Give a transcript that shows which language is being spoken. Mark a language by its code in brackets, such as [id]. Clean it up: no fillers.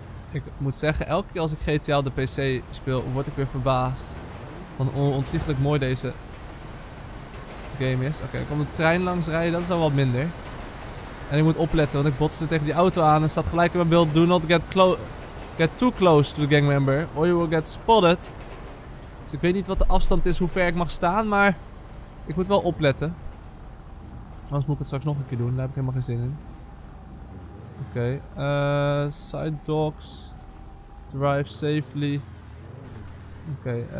[nl] Ik moet zeggen, elke keer als ik GTA op de PC speel, word ik weer verbaasd. Van ontiegelijk mooi deze game is. Oké, er komt een trein langs rijden. Dat is al wat minder. En ik moet opletten, want ik botste tegen die auto aan. En staat gelijk in mijn beeld. [en] Do not get too close to the gang member. Or you will get spotted. [nl] Dus ik weet niet wat de afstand is, hoe ver ik mag staan. Maar ik moet wel opletten. Anders moet ik het straks nog een keer doen. Daar heb ik helemaal geen zin in. Oké. [en] Side dogs. Drive safely. [nl] Oké.